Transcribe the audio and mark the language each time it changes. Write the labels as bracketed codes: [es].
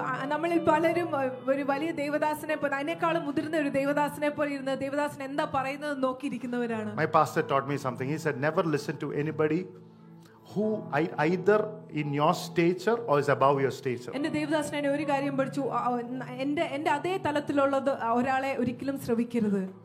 [ml] നമ്മളിൽ പലരും ഒരു വലിയ ദേവദാസനെ പോലെ അതിനേക്കാളും മുതിർന്ന ഒരു ദേവദാസനെ പോലെ ഇരുന്ന് ദേവദാസൻ എന്താ പറയുന്നത് നോക്കിയിരിക്കുന്നവരാണ്. [en] My pastor taught me something. He said, never listen to anybody who either in your stature or is above your stature. [ml] എന്റെ ദേവദാസൻ എന്നെ ഒരു കാര്യം പഠിച്ചു, എന്റെ അതേ തലത്തിലുള്ളത് ഒരാളെ ഒരിക്കലും ശ്രവിക്കരുത്.